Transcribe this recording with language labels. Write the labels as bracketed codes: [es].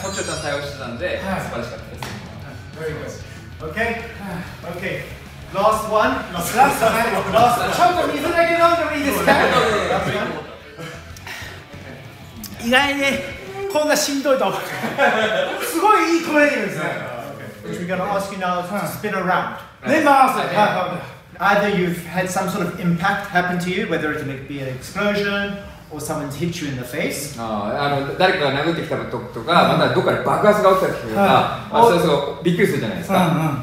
[ja] そっちをちゃんと対応してたんで素晴らしかったです。 [en] Very good. Okay. Okay. Last one. Last one. [ja] ちょっと水だけ飲んでもいいですか？意外にこんなしんどいと。すごいいいトレーニングですね。 [en] We're gonna ask you now to spin around. [ja] 回す。 [en] Either you've had some sort of impact happen to you, whether it be an explosion or someone's hit you in the face. [ja] 誰かが殴ってきたとか、またどっかで爆発が起きたとか、それすごいびっくりするじゃないですか。